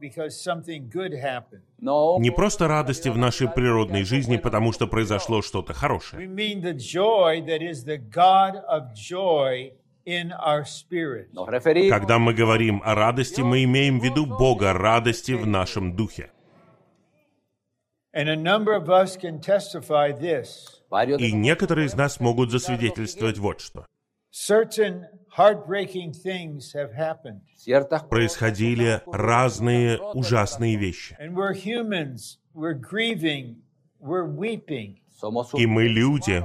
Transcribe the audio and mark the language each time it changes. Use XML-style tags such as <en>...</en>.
<ru>Не просто радости в нашей природной жизни, потому что произошло что-то хорошее. Когда мы говорим о радости, мы имеем в виду Бога радости в нашем духе.</ru> <en>And a number of us can testify this.</en> <ru>И некоторые из нас могут засвидетельствовать вот что.</ru> <en>Certain heartbreaking things have happened.</en> <ru>Происходили разные ужасные вещи.</ru> <en>And we're humans. We're grieving. We're weeping.</en> <ru>И мы люди.</ru>